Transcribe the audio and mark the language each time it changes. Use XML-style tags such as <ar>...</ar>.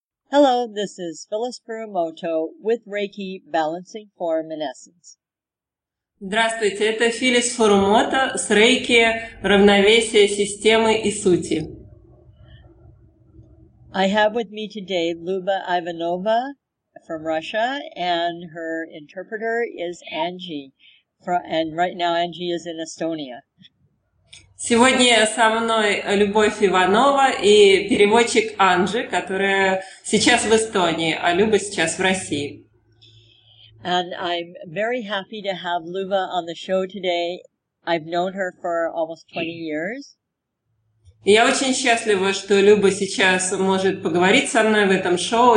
<en>Hello, this is Phyllis Kurumoto with Reiki Balancing Form and Essence.</en> <ru>Здравствуйте, это Филлис Фурумото с Рейки Равновесия Системы и Сути.</ru> <en>I have with me today Luba Ivanova from Russia, and her interpreter is Angie. And right now Angie is in Estonia.</en> <ru>Сегодня со мной Любовь Иванова и переводчик Анжи, которая сейчас в Эстонии, а Люба сейчас в России.</ru> <en>And I'm very happy to have Luba on the show today. I've known her for almost 20 years.</en> <ru>И я очень счастлива, что Люба сейчас может поговорить со мной в этом шоу.</ru>